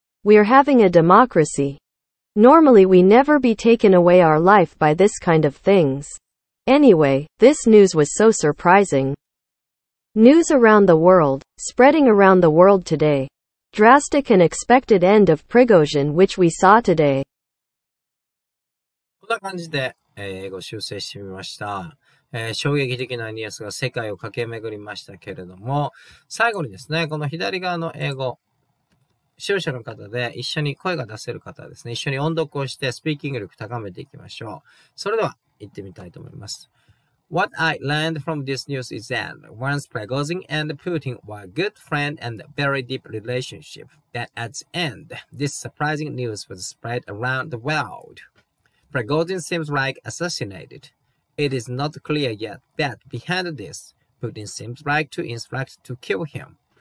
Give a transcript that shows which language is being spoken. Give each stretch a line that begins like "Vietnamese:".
English: We are having a democracy. Normally we never be taken away our life by this kind of things. Anyway, this news was so surprising. News around the world, spreading around the world today. Drastic and expected end of Prigozhin which we saw today.
Japanese: こんな感じで、英語修正してみました。衝撃的なニュースが世界を駆け巡りましたけれども、最後にですね、この左側の英語。視聴者の方で一緒に声が出せる方はですね、一緒に音読をしてスピーキング力高めていきましょう。それでは行ってみたいと思います。
English: What I learned from this news is that once Prigozhin and Putin were good friend and very deep relationship, that at the end, this surprising news was spread around the world. Prigozhin seems like assassinated. It is not clear yet, but behind this, Putin seems like to instruct to kill him.